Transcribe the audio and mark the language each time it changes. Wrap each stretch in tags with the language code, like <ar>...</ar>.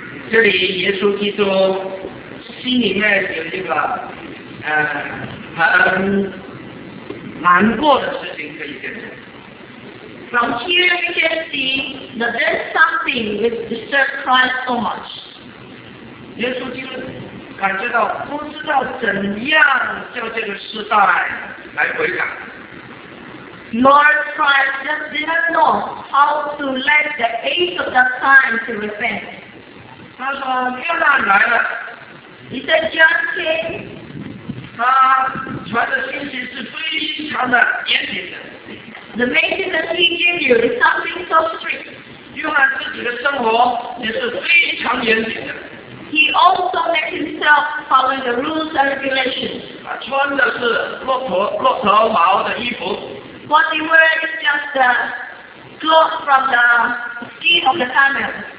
<en>Here, Jesus Christ, in his heart, has a very sad thing to tell us. From here we can see that there's something which disturbs Christ so much.</en> <zh>耶稣基督感觉到不知道怎样叫这个世代来悔改。</zh> <en>Lord Christ just did not know how to let the age of that time to repent.</en> <zh>他说约翰来了。</zh> <en>He said John came.</en> <zh>他传的信息是非常的严谨的。</zh> <en>The message that he gave you is something so strict.</en> <zh>约翰自己的生活也是非常严谨的。</zh> <en>He also makes himself following the rules and regulations.</en> <zh>穿的是骆驼毛的衣服。</zh> <en>What he wears is just the cloth from the skin of the camel.</en>